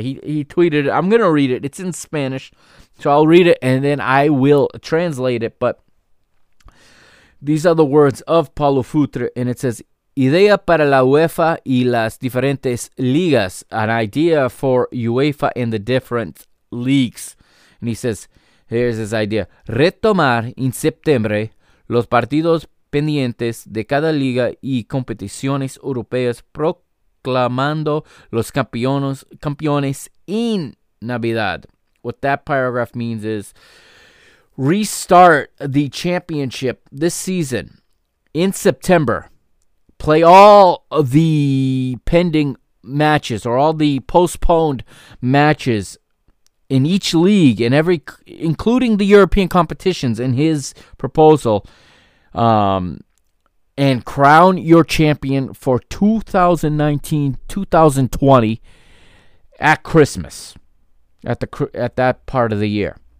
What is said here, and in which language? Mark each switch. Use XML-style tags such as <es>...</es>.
<en>He tweeted it. I'm going to read it. It's in Spanish, so I'll read it, and then I will translate it. But these are the words of Paulo Futre, and it says,</en> <es>Idea para la UEFA y las diferentes ligas.</es> <en>An idea for UEFA and the different leagues. And he says, here's his idea.</en> <es>Retomar en septiembre los partidos pendientes de cada liga y competiciones europeas proclamando los campeones en Navidad.</es> <en>What that paragraph means is restart the championship this season in September. Play all of the pending matches or all the postponed matches in each league, and every, including the European competitions, in his proposal, and crown your champion for 2019-2020 at Christmas, at that part of the year.</en>